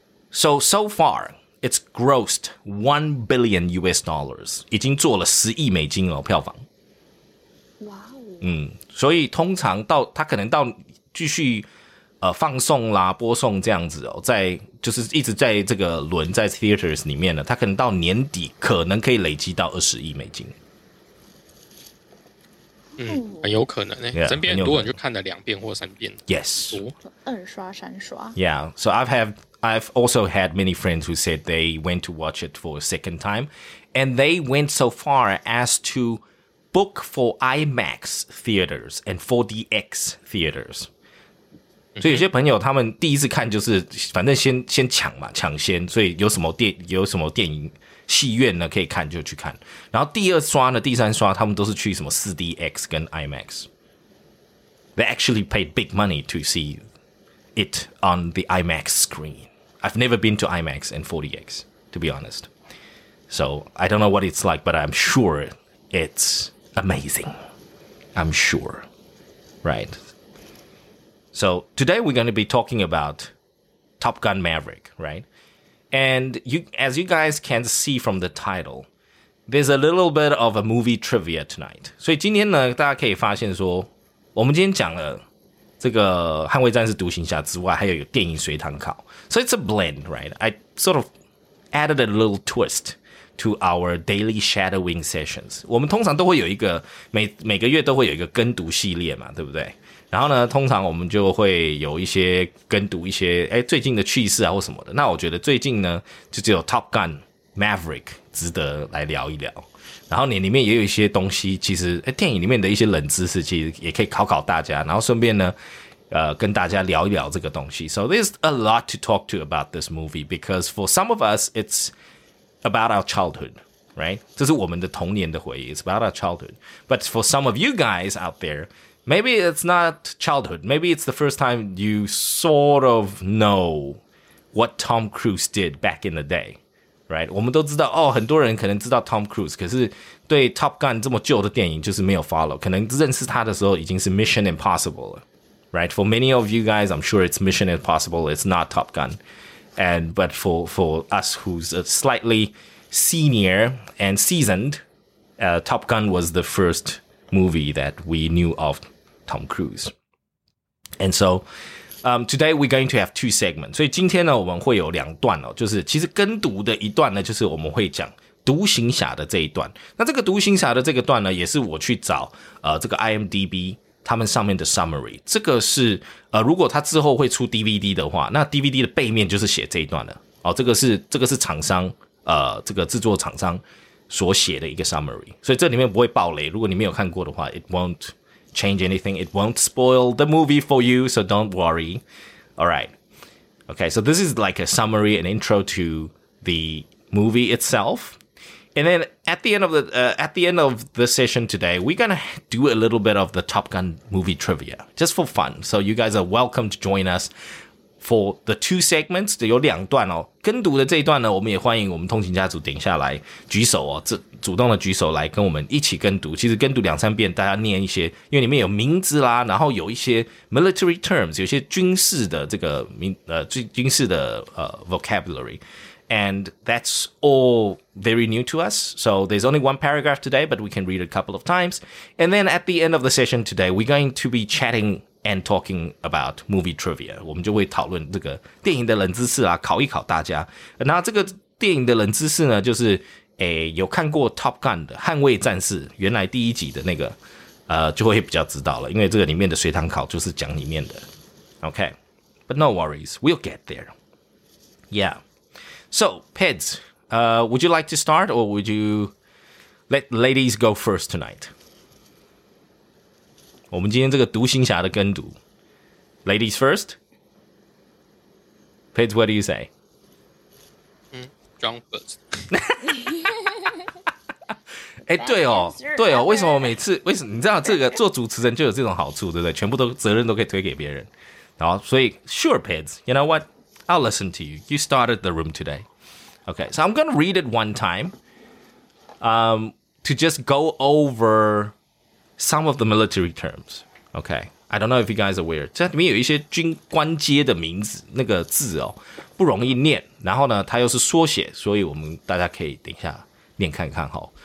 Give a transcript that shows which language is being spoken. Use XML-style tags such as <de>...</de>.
<en>So far, it's grossed $1 billion,</en> <zh>已经做了10亿美金哦，票房。所以通常到他可能到继续放送啦播送这样子哦，在就是一直在这个轮在 theaters 里面呢，他可能到年底可能可以累积到20亿美金。嗯，很有可能诶、欸，身边很多人就看了2遍或3遍。</zh> <en>Yes，</en> <zh>二刷三刷。</zh> <en>Yeah， so I've also had many friends who said they went to watch it for a second time, and they went so far as to. Book for IMAX theaters and 4DX theaters.</en> <zh>所以有些朋友他们第一次看就是反正先抢嘛，抢先，所以有什么电影戏院呢可以看就去看。然后第二刷呢，第三刷他们都是去什么 4DX 跟 IMAX.</zh> <en>They actually paid big money to see it on the IMAX screen. I've never been to IMAX and 4DX, to be honest. So I don't know what it's like, but I'm sure it'sAmazing, I'm sure, right? So today we're going to be talking about Top Gun Maverick, right? And you, as you guys can see from the title, there's a little bit of a movie trivia tonight.</en> <zh>所以今天呢，大家可以发现说，我们今天讲了这个《捍卫战士：独行侠》之外，还有电影随堂考。</zh> <en>So it's a blend, right? I sort of added a little twist. To our daily shadowing sessions,</en> <zh>我们通常都会有一个每个月都会有一个跟读系列嘛，对不对？然后呢，通常我们就会有一些跟读一些最近的趣事啊或什么的。那我觉得最近呢，就只有 Top Gun Maverick 值得来聊一聊。然后里面也有一些东西，其实电影里面的一些冷知识，其实也可以考考大家。然后顺便呢，跟大家聊一聊这个东西。</zh> <en>So there's a lot to talk to about this movie because for some of us, it'sAbout our childhood, right?</en> <zh>这是我们的童年的回忆。</zh> <en>It's about our childhood. But for some of you guys out there, maybe it's not childhood. Maybe it's the first time you sort of know what Tom Cruise did back in the day, right?</en> <zh>我们都知道，很多人可能知道 Tom Cruise, 可是对 Top Gun 这么旧的电影就是没有 follow. 可能认识他的时候已经是 Mission Impossible 了,</zh> <en>right? For many of you guys, I'm sure it's Mission Impossible. It's not Top Gun. And but for us who's a slightly senior and seasoned, Top Gun was the first movie that we knew of Tom Cruise. And so, today we're going to have two segments.</en> <zh>所以今天呢，我们会有两段哦，就是其实跟读的一段呢，就是我们会讲独行侠的这一段。那这个独行侠的这个段呢，也是我去找这个 IMDB 他们上面的 summary。这个是如果他之后会出 DVD 的话，那 DVD 的背面就是写这一段了。哦，这个是厂商这个制作厂商所写的一个 summary， 所以这里面不会爆雷。如果你没有看过的话，</zh> <en>it won't change anything， it won't spoil the movie for you， so don't worry。 Alright， okay， so this is like a summary and intro to the movie itself。 And then at the end of the session today, we're gonna do a little bit of the Top Gun movie trivia just for fun, so you guys are welcome to join us for the two segments。</en> <zh>有两段哦，跟读的这一段呢，我们也欢迎我们通勤家族等一下来举手哦，这主动的举手来跟我们一起跟读。其实跟读两三遍，大家念一些，因为里面有名字啦，然后有一些 military terms， 有些军事的这个军事的vocabulary。</zh> <en>And that's all very new to us. So there's only one paragraph today, but we can read a couple of times. And then at the end of the session today, we're going to be chatting and talking about movie trivia.</en> <zh>我们就会讨论这个电影的冷知识啊，考一考大家。那这个电影的冷知识呢，就是有看过 Top Gun 的捍卫战士，原来第一集的那个就会比较知道了，因为这个里面的随堂考就是讲里面的。</zh> <en>OK, but no worries, we'll get there. Yeah. So, Peds, would you like to start, or would you let ladies go first tonight?</en> <zh>我们今天这个独行侠的跟读。</zh> <en>Ladies first? Peds, what do you say? John first.</en> <zh>哎，对哦，对哦，为什么每次，为什么，你知道这个做主持人就有这种好处，对不对？全部都，责任都可以推给别人。然后，所以</zh> <en>sure, Peds, you know what? I'll listen to you. You started the room today. Okay, so I'm going to read it one time to just go over some of the military terms. Okay, I don't know if you guys are aware.</en> <zh>这里面有一些军官阶的名字，那个字哦，不容易念。然后呢，它又是缩写，所以我们大家可以等一下念看看哦。</zh>